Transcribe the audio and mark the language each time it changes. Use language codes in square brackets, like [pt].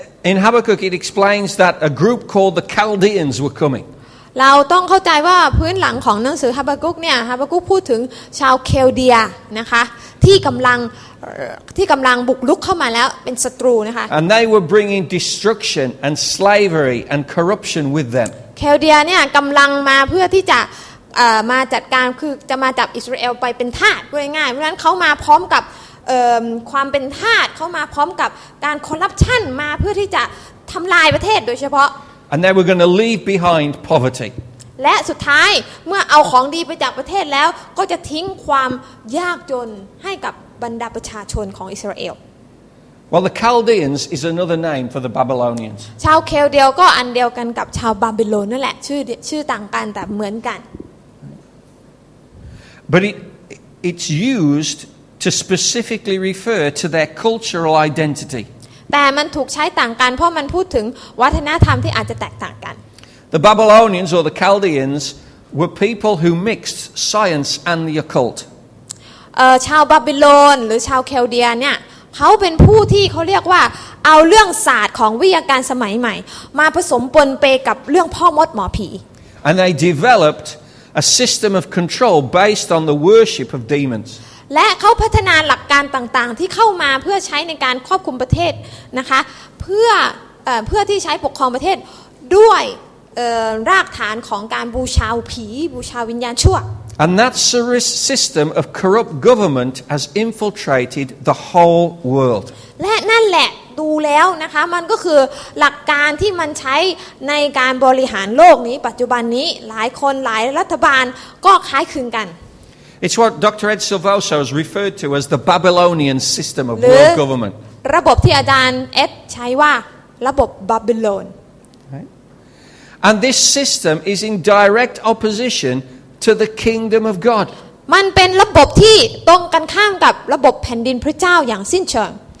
[en] In Habakkuk it explains that a group called the Chaldeans were coming. [th] เราต้องเข้าใจว่าพื้นหลังของหนังสือฮาบากุกเนี่ยฮาบากุกพูดถึงชาวเคลเดียนะคะที่กำลังบุกรุกเข้ามาแล้วเป็นศัตรูนะคะ [en] And they were bringing destruction and slavery and corruption with them. [th] เคลเดียเนี่ยกำลังมาเพื่อที่จะมาจัดการคือจะมาจับอิสราเอลไปเป็นทาสง่ายๆเพราะฉะนั้นเขามาพร้อมกับความเป็นทาสเข้ามาพร้อมกับการคอร์รัปชันมาเพื่อที่จะทำลายประเทศโดยเฉพาะ [en] And they were going to leave behind poverty [th] และสุดท้ายเมื่อเอาของดีไปจากประเทศแล้วก็จะทิ้งความยากจนให้กับบรรดาประชาชนของอิสราเอล [en] Well, the Chaldeans is another name for the Babylonians. [th] ชาวเคลเดียวก็อันเดียวกันกับชาวบาบิโลนนั่นแหละชื่อต่างกันแต่เหมือนกัน [en] But it's used to specifically refer to their cultural identity. [th] แต่มันถูกใช้ต่างกันเพราะมันพูดถึงวัฒนธรรมที่อาจจะแตกต่างกัน [en] The Babylonians or the Chaldeans were people who mixed science and the occult. [th] ชาวบาบิโลนหรือชาวเคลเดียเนี่ยเขาเป็นผู้ที่เขาเรียกว่าเอาเรื่องศาสตร์ของวิทยาการสมัยใหม่มาผสมปนเปกับเรื่องพ่อมดหมอผี [en] And they developed a system of control based on the worship of demons [th] และเขาพัฒนาหลักการต่างๆที่เข้ามาเพื่อใช้ในการควบคุมประเทศนะคะเพื่อที่ใช้ปกครองประเทศด้วยรากฐานของการบูชาผีบูชาวิญญาณชั่ว [en] And that system of corrupt government has infiltrated the whole world. [th] และนั่นแหละดูแล้วนะคะมันก็คือหลักการที่มันใช้ในการบริหารโลกนี้ปัจจุบันนี้หลายคนหลายรัฐบาลก็คล้ายคลึงกัน [en] It's what Dr. Ed Silvoso has referred to as the Babylonian system of world government. [th] ระบบที่อาจารย์เอ็ดใช้ว่าระบบบาบิโลน [en] And this system is in direct opposition. To the kingdom of God. [th] มันเป็นระบบที่ตรงกันข้ามกับระบบแผ่นดินพระเจ้าอย่างสิ้นเชิง